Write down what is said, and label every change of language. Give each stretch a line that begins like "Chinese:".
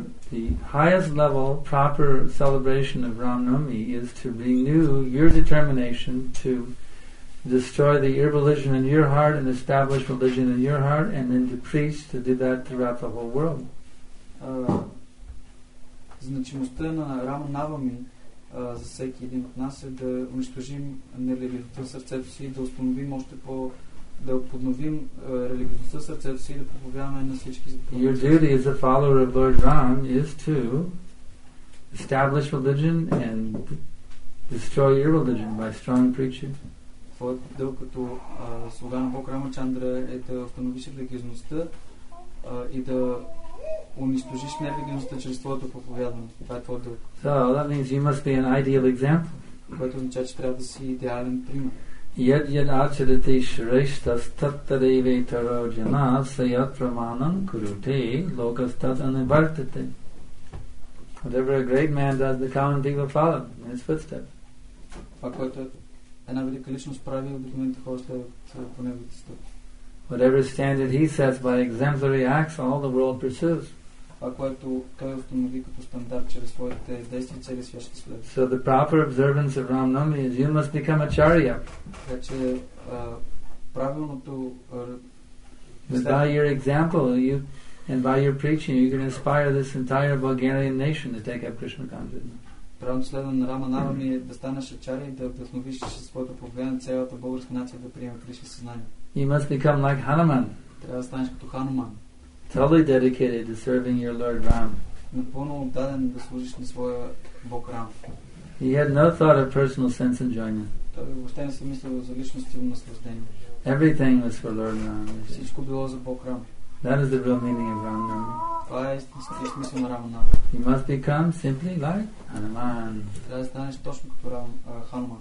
English: The highest level, proper celebration of Ram Navami is to renew your determination to destroy the irreligion in your heart and establish religion in your heart, and then to preach to do that throughout the whole world.
Bulgarian: Значимостта на Рам Навами за всеки един от нас е да унищожим нелегалността в сърцето си и да установим още по да подновим религиозността в сърцето си и да проповядаме на всички.
English: Your duty as a follower of Lord Ram is to establish religion and destroy your religion by strong preaching.
Bulgarian: Твоят дълг като слуга на Бог Рамачандра е да установиш религиозността и да унищожиш невинността чрез твоето проповядване. Това е твоето дълг.
English: So that means you must be an ideal example.
Bulgarian: Което означава, че трябва да си идеален пример.
Sanskrit: Yad yad acharati shrishtas tattadeve taro jana sayat pramanam kurute lokastatana vartate.
English: Whatever a great man does, the common people follow in his footsteps.
Bulgarian: Това, което една велика личност прави, обикновените хора следват по неговите стъпки.
English: Whatever standard he sets by exemplary acts, all the world pursues.
Bulgarian: Това, което той установи като стандарт чрез своите действия, цели свят ще следва.
English: So the proper observance of Ram Nami is you must become acharya.
Bulgarian: Така че правилното...
English: By your example, you... And by your preaching, you can inspire this entire Bulgarian nation to take up Krishna consciousness.
Bulgarian: Правилно следване на Рама Навами е да станеш ачари и да вдъхновиш чрез своето проповедание цялата българска нация да приеме Кришна съзнание.
English: You must become like Hanuman.
Bulgarian: Трябва да станеш като Хануман.
English: Totally dedicated to serving your Lord Ram.
Bulgarian: Напълно отдаден да служиш на своя Бог Рам.
English: He had no thought of personal sense enjoyment.
Bulgarian: Той въобще не си мислил за личностно наслаждение.
English: Everything was for Lord Ram.
Bulgarian: Всичко било за Бог Рам.
English: That is the real meaning of Ram Nami.
Bulgarian: Това е истинския смисъл на Рама Нами.
English: You must become simply like Hanuman.
Bulgarian: Трябва да станеш точно като Хануман.